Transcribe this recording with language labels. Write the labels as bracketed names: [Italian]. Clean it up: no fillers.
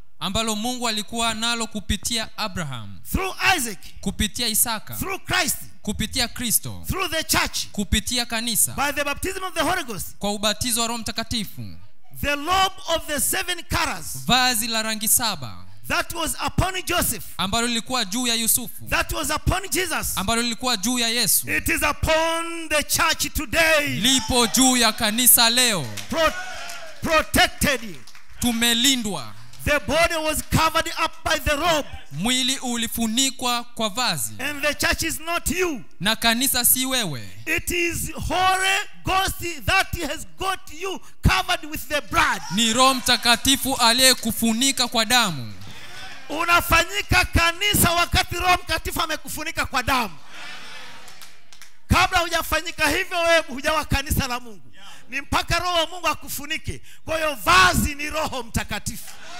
[Swahili] Ambalo Mungu alikuwa nalo kupitia Abraham. [English] Through Isaac. [Swahili] Kupitia Isaka. [English] Through Christ. [Swahili] Kupitia Kristo. [English] Through the church. [Swahili] Kupitia kanisa. [English] By the baptism of the Holy Ghost. [Swahili] Kwa ubatizo wa Roho Mtakatifu. [English] The robe of the seven colors. [Swahili] Vazi la rangi saba. [English] That was upon Joseph. [Swahili] Ambalo lilikuwa juu ya Yusufu. [English] That was upon Jesus. [Swahili] Ambalo lilikuwa juu ya Yesu. [English] It is upon the church today. [Swahili] Lipo juu ya kanisa leo. [English] Protected. [Swahili] Tumelindwa. [English] The body was covered up by the robe. [Swahili] Mwili ulifunikwa kwa vazi. [English] And the church is not you. [Swahili] Na kanisa si wewe. [English] It is Holy Ghost that has got you covered with the blood. [Swahili] Ni Roho Mtakatifu aliyekufunika kwa damu. Unafanyika kanisa wakati Roho Mtakatifu amekufunika kwa damu. Kabla hujafanyika hivyo wewe hujawa kanisa la Mungu. Ni mpaka Roho wa Mungu akufunike. Kwa hiyo vazi ni Roho Mtakatifu.